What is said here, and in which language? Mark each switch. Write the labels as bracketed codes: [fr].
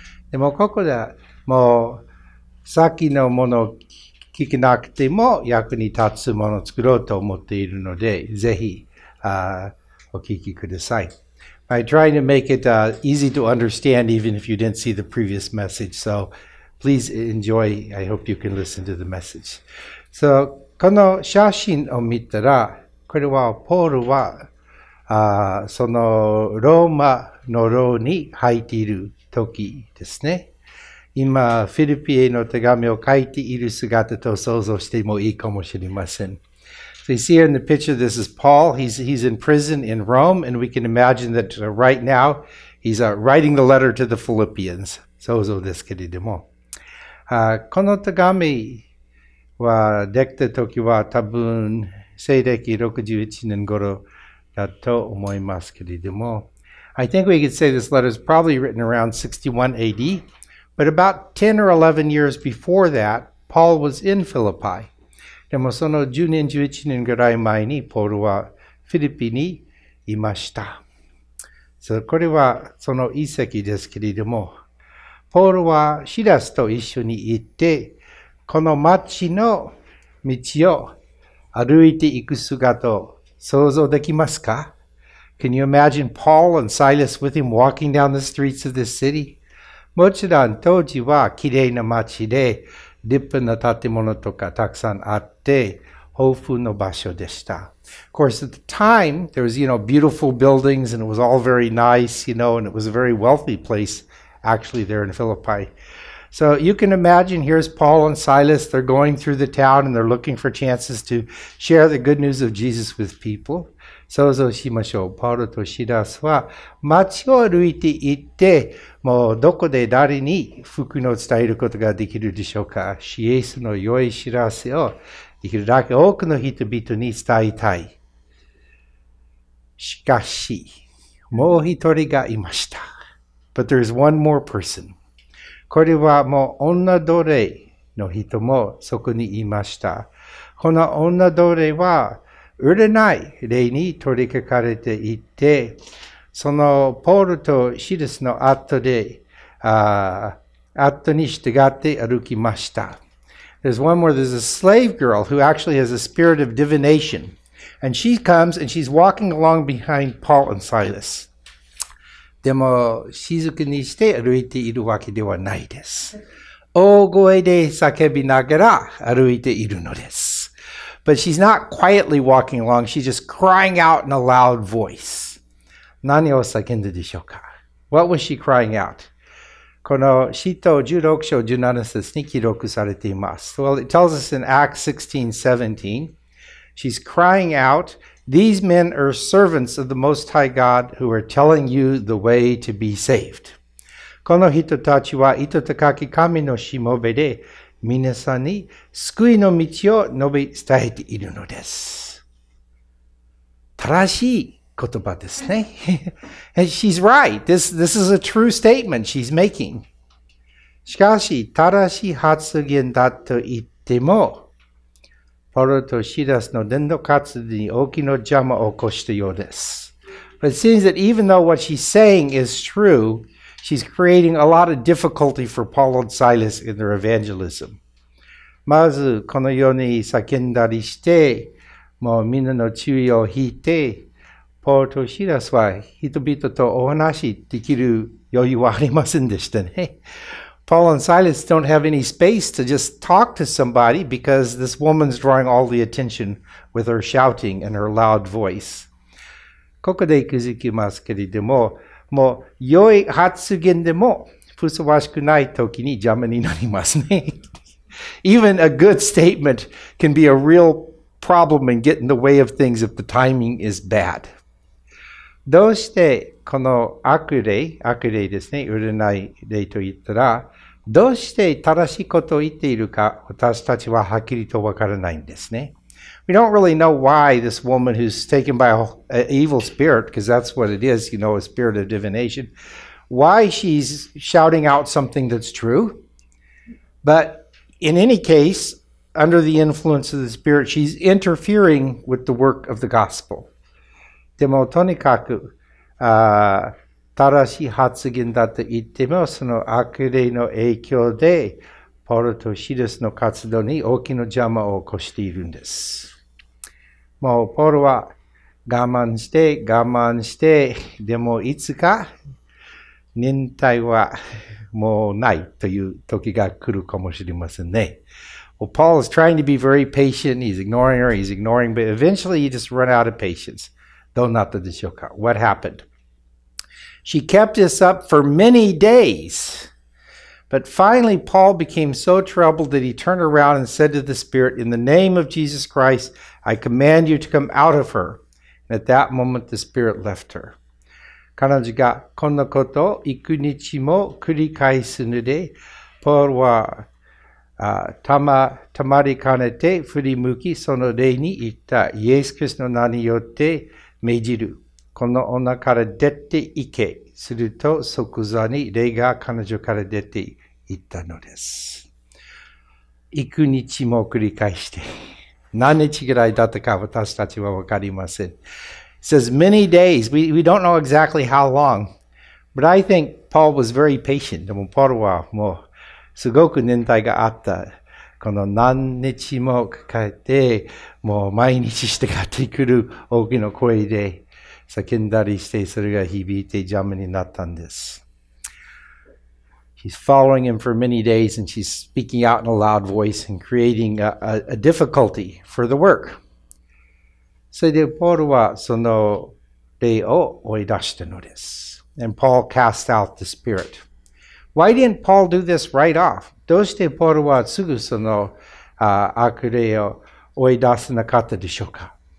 [ja] でもここでもう先のものを聞けなくても役に立つものを作ろうと思っているので、ぜひ、お聞きください。 [en] I'm trying to make it easy to understand even if you didn't see the previous message. So please enjoy. I hope you can listen to the message. So, [ja] この写真を見たら、これはポールは、そのローマの牢に入っている時ですね。今、フィリピへの手紙を書いている姿と想像してもいいかもしれません。 [en] So you see here in the picture, this is Paul. He's in prison in Rome, and we can imagine that right now he's writing the letter to the Philippians. [ja] そうですけれども。この手紙はできた時は多分西暦61年頃だと思いますけれども。 [en] I think we could say this letter is probably written around 61 AD, but about 10 or 11 years before that, Paul was in Philippi. [ja] でもその10年11年ぐらい前にポールはフィリピにいました。 [en] So, [ja] これはその遺跡ですけれども、ポールはシラスと一緒に行って、この町の道を歩いていく姿を想像できますか? [en] Can you imagine Paul and Silas with him walking down the streets of this city? [ja] もちろん当時はきれいな町で、立派な建物とかたくさんあって、豊富の場所でした。 [en] Of course, at the time, there was, you know, beautiful buildings and it was all very nice, you know, and it was a very wealthy place, actually, there in Philippi. So you can imagine, here's Paul and Silas, they're going through the town and they're looking for chances to share the good news of Jesus with people. [ja] 想像しましょう。パウロとシラスは街を歩いて行って、もうどこで誰に福音を伝えることができるでしょうか。シエスの良い知らせをできるだけ多くの人々に伝えたい。しかし、もう一人がいました。 [en] But there is one more person. [ja] これはもう女奴隷の人もそこにいました。この女奴隷は売れない霊に取り掛かれていて、そのポールとシルスの後で、後に従って歩きました。 [en] There's one more, there's a slave girl who actually has a spirit of divination. And she comes and she's walking along behind Paul and Silas. [ja] でも静かにして歩いているわけではないです。大声で叫びながら歩いているのです。 [en] But she's not quietly walking along, she's just crying out in a loud voice. [ja] 何を叫んだでしょうか? [en] What was she crying out? [ja] この使徒16章17節に記録されています。 [en] Well, it tells us in Acts 16:17, she's crying out, These men are servants of the Most High God who are telling you the way to be saved. [ja] この人たちは糸高き神のしもべで、皆さんに救いの道を述べ伝えているのです。正しい言葉ですね。 [en] She's right. This is a true statement she's making. [ja] しかし、正しい発言だと言っても、ポロとシラスの伝道活動に大きな邪魔を起こしたようです。 [en] But it seems that even though what she's saying is true,She's creating a lot of difficulty for Paul and Silas in their evangelism. [ja] まずこのように叫んだりして、もうみんなの注意を引いて、ポールとシラスは人々とお話しできる余裕はありませんでしたね。 [en] Paul and Silas don't have any space to just talk to somebody because this woman's drawing all the attention with her shouting and her loud voice. [ja] ここで気づきますけれども、もう良い発言でもふさわしくない時に邪魔になりますね。 [en] Even a good statement can be a real problem and get in the way of things if the timing is bad. [ja] どうしてこの悪霊ですね、売れない霊と言ったら、どうして正しいことを言っているか私たちははっきりとわからないんですね。 [en] We don't really know why this woman who's taken by an evil spirit, because that's what it is, you know, a spirit of divination, why she's shouting out something that's true. But in any case, under the influence of the Spirit, she's interfering with the work of the gospel. [ja] でもとにかく、正しい発言だと言っても、その悪霊の影響で、ポルとシルスの活動に大きな邪魔を起こしているんです。もうポルは我慢して、我慢して、でもいつか忍耐はもうないという時が来るかもしれませんね。 [en] Well, Paul is trying to be very patient. He's ignoring, but eventually he just run out of patience. [ja] どうなったでしょうか? [en] What happened? She kept this up for many days. But finally, Paul became so troubled that he turned around and said to the Spirit, In the name of Jesus Christ, I command you to come out of her. And at that moment, the Spirit left her. [ja] 彼女がこんなことを幾日も繰り返すので、ポールはたまりかねて振り向き、その霊に言ったイエス・キリストの名によって命じる。この女から出て行け。すると即座に霊が彼女から出て行ったのです。幾日も繰り返して。何日ぐらいだったか私たちはわかりません。 [en] It says many days. We don't know exactly how long. But I think Paul was very patient. [ja] でもポールはもうすごく忍耐があった。この何日もかかって、もう毎日従ってくる大きな声で。叫んだりしてそれが響いて邪魔になったんです。 [en] She's following him for many days and she's speaking out in a loud voice and creating a difficulty for the work. [ja] それでポールはその霊を追い出したのです。 [en] And Paul cast out the spirit. Why didn't Paul do this right off? [ja] どうしてポールはすぐその悪霊を追い出さなかったでしょうか?